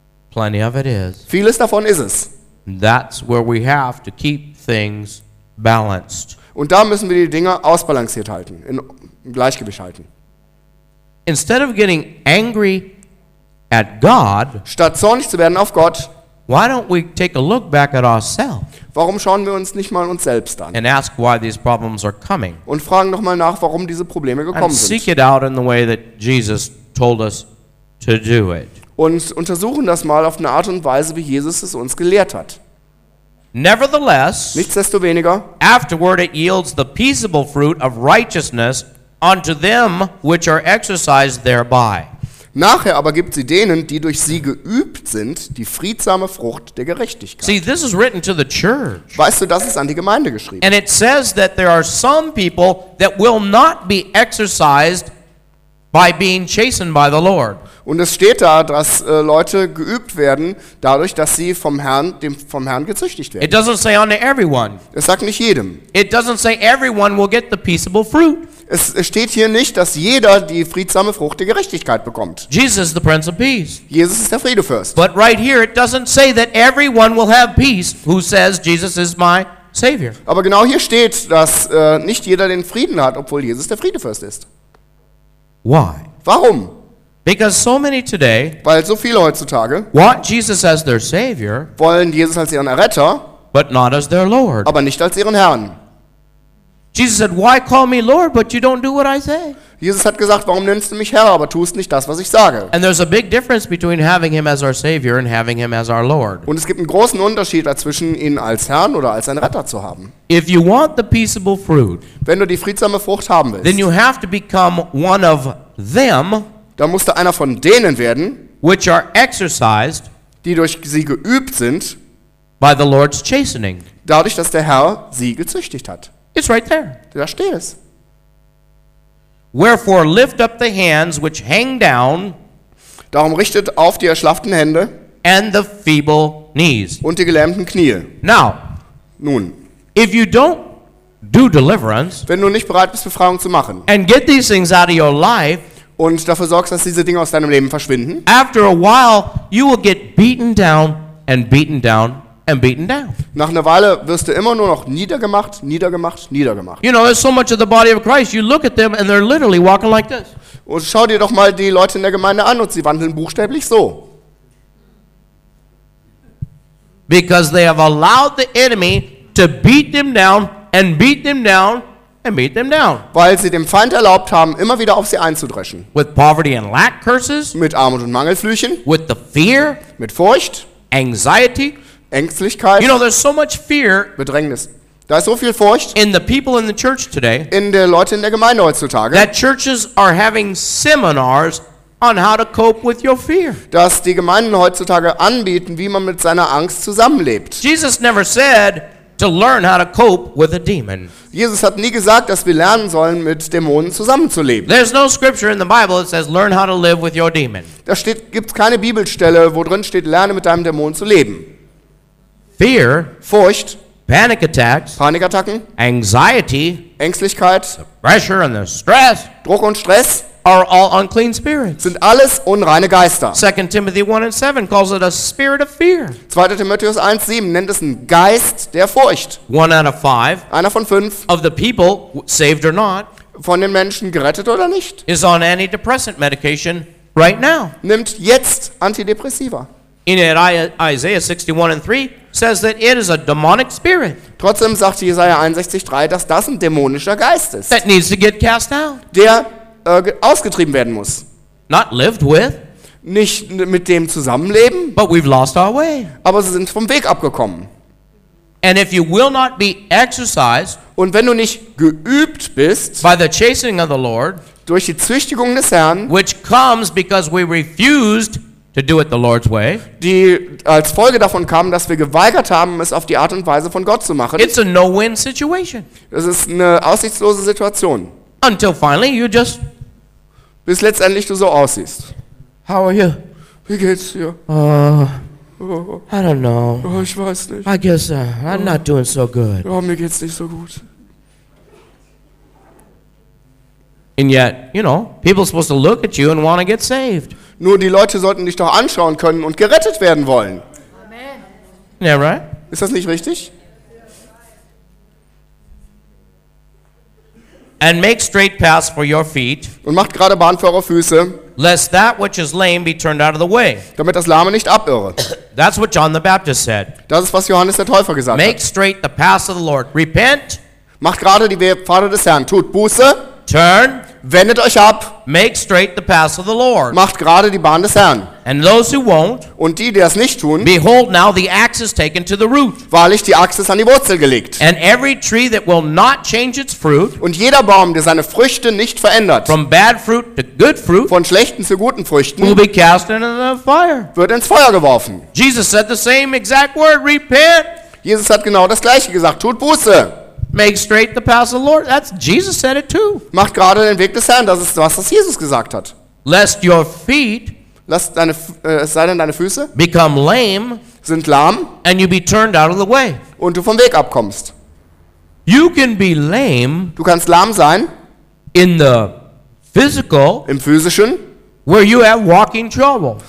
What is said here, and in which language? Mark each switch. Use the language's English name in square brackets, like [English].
[English] Plenty of it is. [German] Vieles davon ist es. [English] That's where we have to keep things balanced. [German] Und da müssen wir die Dinge ausbalanciert halten, in Gleichgewicht halten. [English] instead of getting angry at God, [German] statt zornig zu werden auf Gott, [English] why don't we take a look back at ourselves? [German] Warum schauen wir uns nicht mal uns selbst an? [English] And ask why these problems are coming. [German] Und fragen noch mal nach, warum diese Probleme gekommen and sind. [English] Seek it out in the way that Jesus told us to do it. [German] Und untersuchen das mal auf eine Art und Weise, wie Jesus es uns gelehrt hat. [English] Nevertheless, [German] nichtsdestoweniger, [English] afterward it yields the peaceable fruit of righteousness unto them which are exercised thereby. [German] Nachher aber gibt sie denen, die durch sie geübt sind, die friedsame Frucht der Gerechtigkeit. [English] See, this is written to the church. [German] Weißt du, das ist an die Gemeinde geschrieben. [English] And it says that there are some people that will not be exercised by being chastened by the Lord. [German] Und es steht da, dass Leute geübt werden, dadurch, dass sie vom Herrn gezüchtigt werden. [English] It doesn't say unto everyone. [German] Es sagt nicht jedem. [English] It doesn't say everyone will get the peaceable fruit. [German] Es steht hier nicht, dass jeder die friedsame Frucht der Gerechtigkeit bekommt. [English] Jesus is the Prince of Peace. [German] Jesus ist der Friedefürst. [English] But right here it doesn't say that everyone will have peace who says Jesus is my Savior. [German] Aber genau hier steht, dass nicht jeder den Frieden hat, obwohl Jesus der Friedefürst ist. [English] Why? [German] Warum? [English] Because so many today, [German] weil so viele heutzutage, [English] want Jesus as their Savior, [German] wollen Jesus als ihren Erretter, [English] but not as their Lord. [German] Aber nicht als ihren Herrn. [English] Jesus said, "Why call me Lord, but you don't do what I say?" [German] Jesus hat gesagt, warum nennst du mich Herr, aber tust nicht das, was ich sage? [English] And there's a big difference between having him as our Savior and having him as our Lord. [German] Und es gibt einen großen Unterschied dazwischen, ihn als Herrn oder als einen Retter zu haben. [English] If you want the peaceable fruit, [German] wenn du die friedsame Frucht haben willst, [English] then you have to become one of them. [German] Dann musst du einer von denen werden, [English] which are exercised, [German] die durch sie geübt sind, [English] by the Lord's chastening. [German] Dadurch, dass der Herr sie gezüchtigt hat. [English] It's right there. [German] Da steht es. [English] Wherefore lift up the hands which hang down. [German] Darum richtet auf die erschlafften Hände. [English] And the feeble knees. [German] Und die gelähmten Knie. [English] Now. [German] Nun. [English] If you don't do deliverance. [German] Wenn du nicht bereit bist, Befreiung zu machen. [English] And get these things out of your life. [German] Und dafür sorgst, dass diese Dinge aus deinem Leben verschwinden. [English] After a while, you will get beaten down and beaten down. And beaten down. [German] Nach einer Weile wirst du immer nur noch niedergemacht, niedergemacht, niedergemacht. [English] You know, there's so much of the body of Christ. You look at them and they're literally walking like this. [German] Und schau dir doch mal die Leute in der Gemeinde an und sie wandeln buchstäblich so. [English] Because they have allowed the enemy to beat them down and beat them down and beat them down. [German] Weil sie dem Feind erlaubt haben, immer wieder auf sie einzudreschen. [English] With poverty and lack curses. [German] Mit Armut und Mangelflüchen. [English] With the fear. [German] Mit Furcht. [English] Anxiety. [German] Ängstlichkeit. [English] You know, there's so much fear. [German] Bedrängnis. Da ist so viel Furcht. [English] In the people in the church today. [German] In der Leute in der Gemeinde heutzutage. [English] That churches are having seminars on how to cope with your fear. [German] Dass die Gemeinden heutzutage anbieten, wie man mit seiner Angst zusammenlebt. [English] Jesus never said to learn how to cope with a demon. [German] Jesus hat nie gesagt, dass wir lernen sollen, mit Dämonen zusammenzuleben. [English] There's no scripture in the Bible that says learn how to live with your demon. [German] Da steht, gibt's keine Bibelstelle, wo drin steht, lerne mit deinem Dämon zu leben. [English] Fear, [German] Furcht, [English] panic attacks, [German] Panikattacken, [English] anxiety, [German] Ängstlichkeit, [English] the pressure and the stress, [German] Druck und Stress, [English] are all unclean spirits. [German] Sind alles unreine Geister. [English] 2 Timothy 1 and 7 calls it a spirit of fear. [German] 2. Timotheus 1:7 nennt es einen Geist der Furcht. [English] One out of five, [German] einer von fünf, [English] of the people saved or not, [German] von den Menschen gerettet oder nicht, [English] is on antidepressant medication right now. [German] Nimmt jetzt Antidepressiva. [English] In Isaiah 61 and 3 says that it is a demonic spirit. [German] Trotzdem sagt Jesaja 61:3, dass das ein dämonischer Geist ist. [English] That needs to get cast out. [German] Der ausgetrieben werden muss. [English] Not lived with. [German] Nicht mit dem zusammenleben. [English] But we've lost our way. [German] Aber sie sind vom Weg abgekommen. [English] And if you will not be exercised. [German] Und wenn du nicht geübt bist. [English] By the chastening of the Lord. [German] Durch die Züchtigung des Herrn. [English] Which comes because we refused. To do it the Lord's way. [German] Die als Folge davon kam, dass wir geweigert haben, es auf die Art und Weise von Gott zu machen. [English] It's a no-win situation. [German] Es ist eine aussichtslose Situation. [English] Until finally you just. [German] Bis letztendlich du so aussiehst. [English] How are you? [German] Wie geht's dir? [English] I don't know. [German] Oh, ich weiß nicht. [English] I guess I'm not doing so good. [German] Oh, mir geht's nicht so gut. [English] And yet, you know, people are supposed to look at you and want to get saved. [German] Nur die Leute sollten dich doch anschauen können und gerettet werden wollen. [English] Amen. Yeah, right? [German] Ist das nicht richtig? [English] And make straight paths for your feet. [German] Und macht gerade Bahn für eure Füße. [English] Lest that which is lame be turned out of the way. [German] Damit das Lahme nicht abirre. [English] That's what John the Baptist said. [German] Das ist, was Johannes der Täufer gesagt [English] make [German] hat. [English] Make straight the path of the Lord. Repent. [German] Macht gerade die Pfade des Herrn. Tut Buße. [English] Turn. [German] Wendet euch ab. [English] Make straight the path of the Lord. [German] Macht gerade die Bahn des Herrn. [English] And those who won't. [German] Und die, die das nicht tun. [English] Behold, now the axe is taken to the root. [German] Wahrlich, die Axt ist an die Wurzel gelegt. [English] And every tree that will not change its fruit. [German] Und jeder Baum, der seine Früchte nicht verändert. [English] From bad fruit to good fruit. [German] Von schlechten zu guten Früchten. [English] Will be cast into the fire. [German] Wird ins Feuer geworfen. [English] Jesus said the same exact word, repent. [German] Jesus hat genau das gleiche gesagt, tut Buße. [English] Make straight the path of the Lord. That's Jesus said it too. [German] Macht gerade den Weg des Herrn. Das ist was, was Jesus gesagt hat. [English] Lest your feet. [German] Lass deine, sei denn deine Füße. [English] Become lame. [German] Sind lahm. [English] And you be turned out of the way. [German] Und du vom Weg abkommst. [English] You can be lame. [German] Du kannst lahm sein. [English] In the physical. [German] Im physischen. [English] Where you have walking trouble.